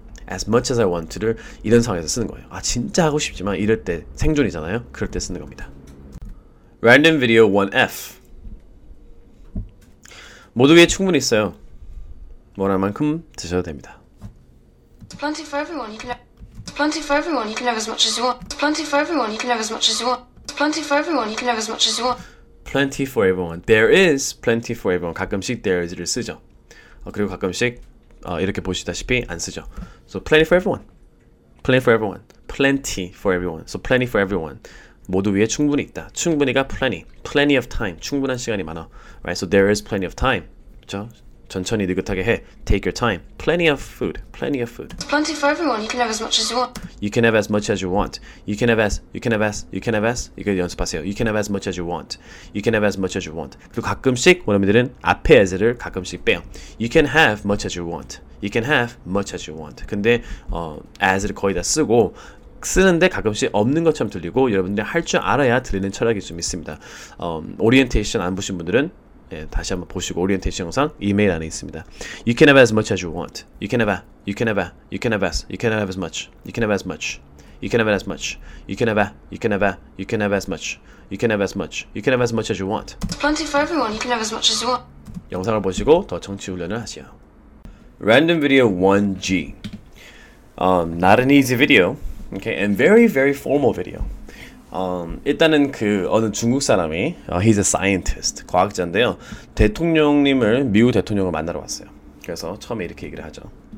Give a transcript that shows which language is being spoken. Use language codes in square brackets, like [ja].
[en] As much as I want to를 [ko] 이런 상황에서 쓰는 거예요. 아, 진짜 하고 싶지만 이럴 때 생존이잖아요. 그럴 때 쓰는 겁니다. Random video 1F. 모두 위에 충분히 있어요. 원할 만큼 드셔도 됩니다. [en] Plenty for everyone. You can have plenty for everyone. You can have as much as you want. Plenty for everyone. You can have as much as you want. Plenty for everyone. You can have as much as you want. Plenty for everyone. There is plenty for everyone. [ko] 가끔씩 [en] there is를 쓰죠. [ko] 그리고 가끔씩 이렇게 보시다시피 안 쓰죠. [en] So plenty for everyone. Plenty for everyone. Plenty for everyone. So plenty for everyone. [ko] 모두 위해 충분히 있다. 충분히가 plenty. [en] Plenty of time. [ko] 충분한 시간이 많아. Right? [en] So there is plenty of time. [ko] 그렇죠? 천천히 느긋하게 해. [en] Take your time. Plenty of food. Plenty of food. It's plenty for everyone. You can have as much as you want. You can have as much as you want. You can have as. You can have as. You can have as. [ko] 이거 연습하세요. [en] You can have as much as you want. You can have as much as you want. [ko] 그리고 가끔씩 원어민들은 앞에 as를 가끔씩 빼요. [en] You can have much as you want. You can have much as you want. [ko] 근데 as를 거의 다 쓰고 쓰는데 가끔씩 없는 것처럼 들리고 여러분들이 할줄 알아야 들리는 철학이 좀 있습니다. 오리엔테이션 안 보신 분들은 예, 다시 한번 보시고 오리엔테이션 영상 이메일 안에 있습니다. [en] You can have as much as you want. You can have. You can have. You can have as. You can have as much. You can have as much. You can have as much. You can have. You can have. You can have as much. You can have as much. You can have as much as you want. It's plenty for everyone. You can have as much as you want. [ko] 영상을 보시고 더 청취 훈련을 하세요. [en] Random video 1G. Not an easy video. Okay, and very very formal video. [ko] 일단은 그 어느 중국 사람이 [en] he's a scientist, [ko] 과학자인데요. 대통령님을 미국 대통령을 만나러 왔어요. 그래서 처음에 이렇게 얘기를 하죠.